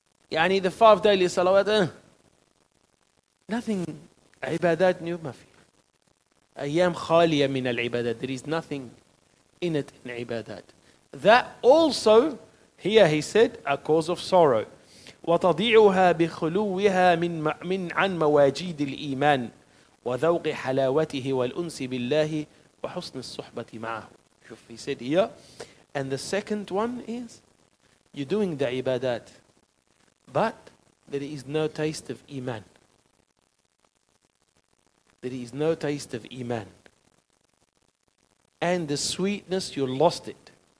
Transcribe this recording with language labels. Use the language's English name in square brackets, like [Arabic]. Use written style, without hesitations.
[English] يعني the five daily salawat, nothing ibadat new mafi. [Arabic] أيام خالية من العبادات. [English] There is nothing in it in عبادات. That also here he said a cause of sorrow. [Arabic] وتضيعها بخلوها من عن مواجيد الإيمان وذوق حلاوته والأنس بالله وحسن الصحبة معه. [English] He said here, and the second one is, you're doing the ibadat, but there is no taste of iman. There is no taste of iman. And the sweetness, you lost it.